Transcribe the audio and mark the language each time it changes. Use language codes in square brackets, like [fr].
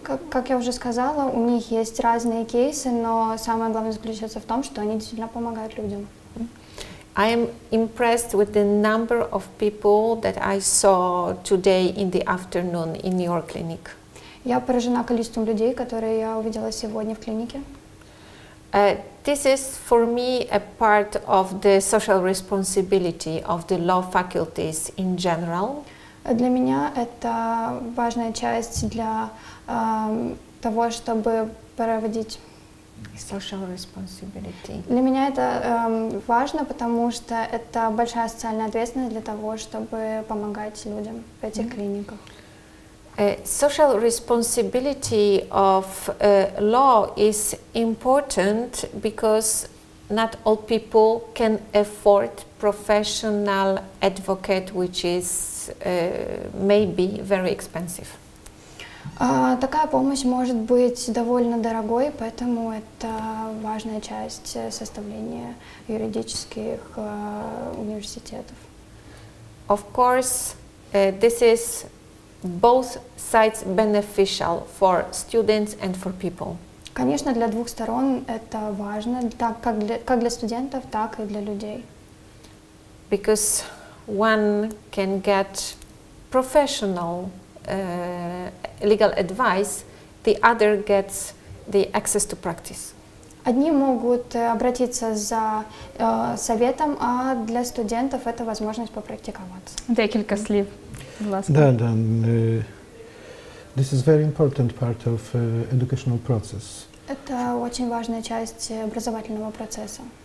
[ru] Как я уже сказала, у них есть разные кейсы, но самое главное заключается в том, что они действительно помогают людям. [en] I am impressed with the number of people that I saw today in the afternoon in your clinic. [ru] Я поражена количеством людей, которые я увидела сегодня в клинике. [en] This is for me a part of the social responsibility of the law faculties in general. [ru] Для меня это важная часть для того, чтобы проводить... [en] Social responsibility. [ru] Для меня это важно, потому что это большая социальная ответственность для того, чтобы помогать людям в этих клиниках. [en] Social responsibility of law is important because not all people can afford professional advocate, which is maybe very expensive. [ru] Такая помощь может быть довольно дорогой, поэтому это важная часть составления юридических университетов. [en] Of course, this is both sides beneficial for students and for people. [ru] Конечно, для двух сторон это важно, так как для студентов, так и для людей. [en] Because one can get professional legal advice, the other gets the access to practice. [ru] Одни могут обратиться за советом, а для студентов это возможность попрактиковаться. [uk] Декілька слів, будь ласка. [ru] Да, да. [en] This is very important part of educational process. [ru] Это очень важная часть образовательного процесса.